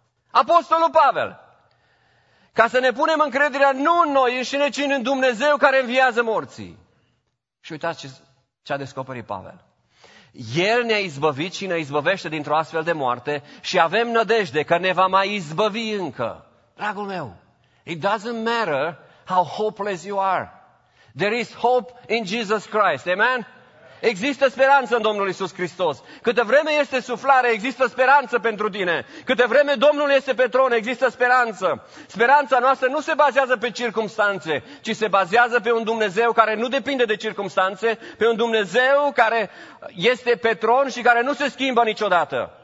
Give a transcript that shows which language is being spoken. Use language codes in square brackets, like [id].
[ro] Apostolul Pavel. Ca să ne punem încrederea nu în noi înșine, ci în Dumnezeu care înviază morții. Și uitați ce a descoperit Pavel. El ne-a izbăvit și ne izbăvește dintr-o astfel de moarte și avem nădejde că ne va mai izbăvi încă. Dragul meu, [en] it doesn't matter how hopeless you are. There is hope in Jesus Christ. Amen? [ro] Există speranță în Domnul Iisus Hristos. Câte vreme este suflare, există speranță pentru tine. Câte vreme Domnul este pe tron, există speranță. Speranța noastră nu se bazează pe circumstanțe, ci se bazează pe un Dumnezeu care nu depinde de circumstanțe, pe un Dumnezeu care este pe tron și care nu se schimbă niciodată.